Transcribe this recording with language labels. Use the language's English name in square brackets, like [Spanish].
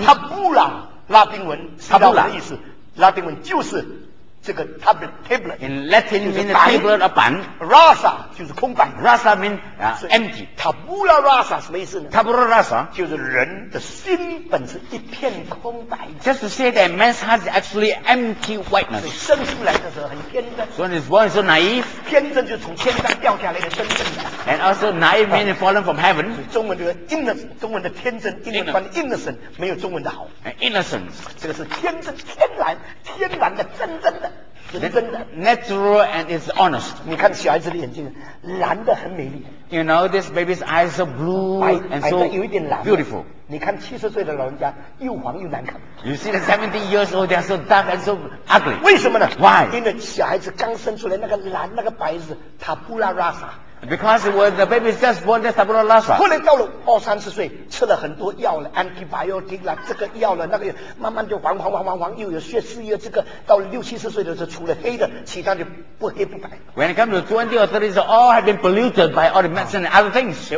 [Chinese] Tabula, 拉丁文，tabula 的意思，拉丁文就是这个 tablet, tablet. [English] In Latin, means table, a 板。 [Chinese] Rasa 就是空白。 [English] Rasa means empty. [Chinese] Tabula rasa 什么意思呢 [Latin] ？Tabula rasa [Chinese] 就是人的心本是一片空白。 [English] Just to say that man's heart is actually empty whiteness. [Chinese] 所以生出来的时候很天真。 [English] So when he's born, so naive. [Chinese] 天真就从天上掉下来的真正的。 [English] And also naive means fallen from heaven. [Chinese] 中文就是 innocent， 中文的天真 ，innocent 没有中文的好。 [English] Innocence [Chinese] 这个是天真、天然的真正的。真的 [English] natural and is honest. [Chinese] 你看小孩子的眼睛，蓝的很美丽。 [English] You know this baby's eyes are blue and so beautiful. [Chinese] 你看七十岁的老人家又黄又难看。 [English] You see the 70 years old, they are so dark and so ugly. [Chinese] 为什么呢 [English] ？Why？ [Chinese] 因为小孩子刚生出来那个蓝那个白是 tabula rasa。 [English] Because when the baby is just born, that's tabula rasa. [Chinese] 后来到了二三十岁，吃了很多药了 ，antibiotic 了，这个药了，那个慢慢就黄，又有血丝，又这个，到了六七十岁的时候，除了黑的，其他就不黑不白。 [English] When it comes to 20 or 30, all have been polluted by all the medicine and other things.